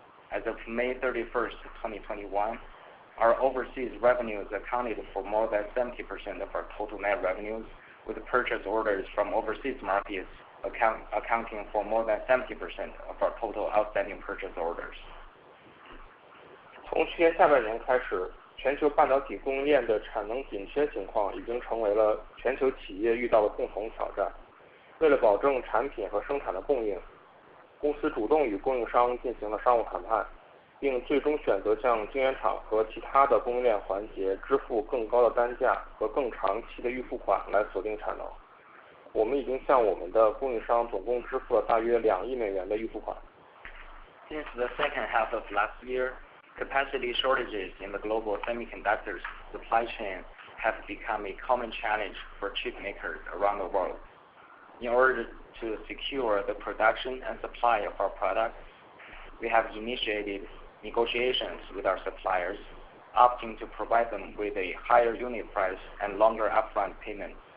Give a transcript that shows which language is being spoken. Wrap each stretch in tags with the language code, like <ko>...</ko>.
<en>As of May 31st, 2021, our overseas revenues accounted for more than 70% of our total net revenues, with purchase orders from overseas markets accounting for more than 70% of our total outstanding purchase orders.</en> <zh>从去年下半年开始，全球半导体供应链的产能紧缺情况已经成为了全球企业遇到的共同挑战。为了保证产品和生产的供应，公司主动与供应商进行了商务谈判，并最终选择向晶圆厂和其他的供应链环节支付更高的单价和更长期的预付款来锁定产能。我们已经向我们的供应商总共支付了大约$2亿的预付款。</zh> <en>Since the second half of last year, capacity shortages in the global semiconductor supply chain have become a common challenge for chip makers around the world. In order to secure the production and supply of our products, we have initiated negotiations with our suppliers, opting to provide them with a higher unit price and longer upfront payments.</en>